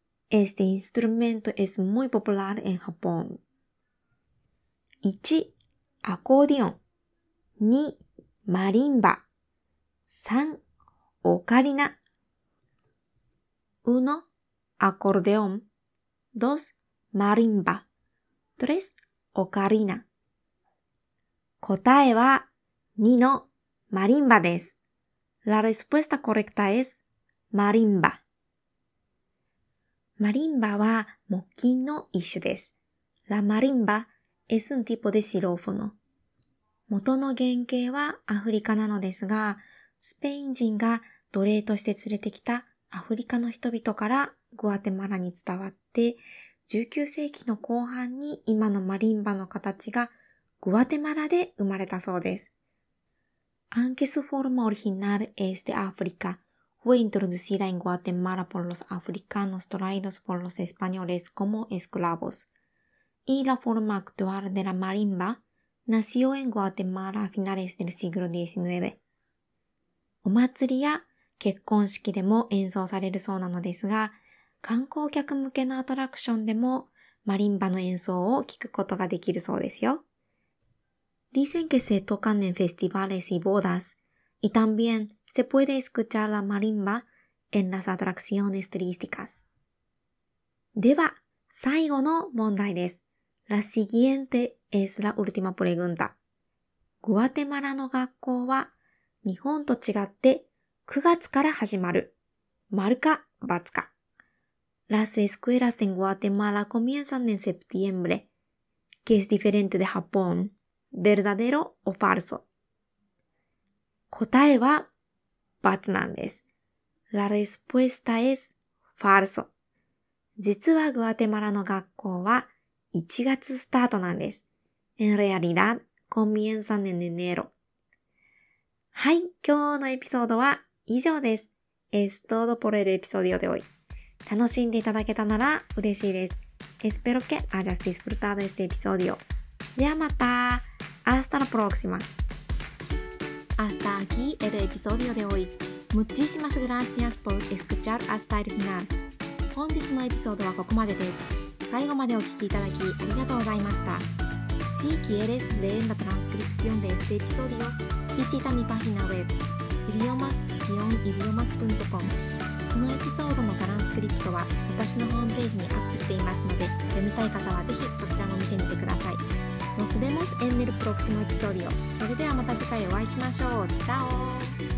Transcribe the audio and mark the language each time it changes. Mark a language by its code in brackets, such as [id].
[es] Este instrumento es muy popular en Japón. [ja] 1. アコーディオン 2. マリンバ 3. オカリナ 1. アコーディオン 2. マリンバ 3. オカリナ 答えは2のマリンバです。 [es] La respuesta correcta es マリンバ。 [ja] マリンバは木琴の一種です。 [es] La marimba es un tipo de xilófono。 [ja] 元の原型はアフリカなのですが、スペイン人が奴隷として連れてきたアフリカの人々からグアテマラに伝わって、19世紀の後半に今のマリンバの形がグアテマラで生まれたそうです。 [es] Aunque su forma original es de África, fue introducida en Guatemala por los africanos traídos por los españoles como esclavos. Y la forma actual de la marimba nació en Guatemala a finales del siglo XIX. [ja] お祭りや結婚式でも演奏されるそうなのですが、観光客向けのアトラクションでもマリンバの演奏を聞くことができるそうですよ。 [es] Dicen que se tocan en festivales y bodas, y también se puede escuchar la marimba en las atracciones turísticas. [ja] では、最後の問題です。 [es] La siguiente es la última pregunta. [ja] グアテマラの学校は日本と違って9月から始まる。丸か、×か。 [es] Las escuelas en Guatemala comienzan en septiembre. ¿Qué es diferente de Japón? ¿Verdadero o falso? [ja] 答えは、×なんです。 [es] La respuesta es falso. [ja] 実はグアテマラの学校は1月スタートなんです。 [es] En realidad, comienzan en enero. [ja] はい、今日のエピソードは以上です。 [es] Es todo por el episodio de hoy. [ja] 楽しんでいただけたなら嬉しいです。 [es] Espero que hayas disfrutado este episodio. [ja] ではまた。 [es] Hasta la próxima. Hasta aquí el episodio de hoy. Muchísimas gracias por escuchar hasta el final. [ja] 本日のエピソードはここまでです。最後までお聞きいただきありがとうございました。 [es] Si quieres leer la transcripción de este episodio,Visita mi página web, idiomas-idiomas.com. [ja] このエピソードのトランスクリプトは私のホームページにアップしていますので、読みたい方はぜひそちらも見てみてください。 [es] Nos vemos en el próximo episodio. [ja] それではまた次回お会いしましょう。チャオ!